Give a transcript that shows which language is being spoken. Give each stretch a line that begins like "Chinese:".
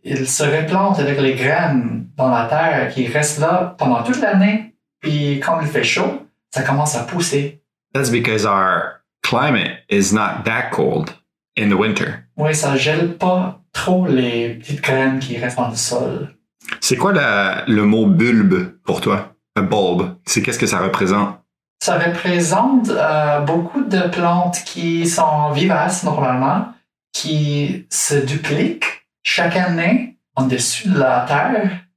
French: il se replante avec les graines dans la terre qui restent là pendant toute l'année. Puis quand il fait chaud, ça commence à pousser.
English: That's because our climate is not that cold in the winter.
French: Oui, ça gèle pas trop les petites graines qui restent dans le sol. C'est quoi le mot bulbe pour toi?
English: A bulb.
French: C'est qu'est-ce que ça représente? Ça représente beaucoup de plantes qui sont vivaces normalement, qui se dupliquent chaque année en dessus de la terre.